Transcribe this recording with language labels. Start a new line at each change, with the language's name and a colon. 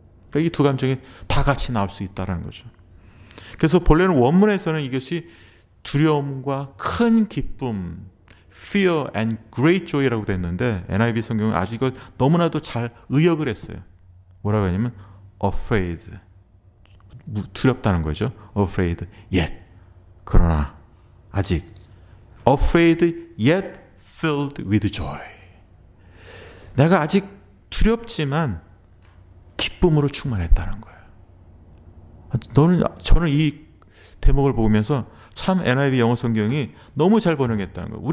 Korean: 그러니까 이 두 감정이 다 같이 나올 수 있다라는 거죠. 그래서 본래는 원문에서는 이것이 두려움과 큰 기쁨,
English: fear and great joy
Korean: 라고 됐는데 NIV 성경은 아주 이거 너무나도 잘 의역을 했어요. 뭐라고 하냐면 afraid, 두렵다는 거죠.
English: afraid yet,
Korean: 그러나 아직
English: afraid yet filled with joy.
Korean: 내가 아직 두렵지만 기쁨으로 충만했다는 거예요. 저는 이 대목을 보면서 참 NIV 영어 성경이 너무 잘 번역했다는 거예요.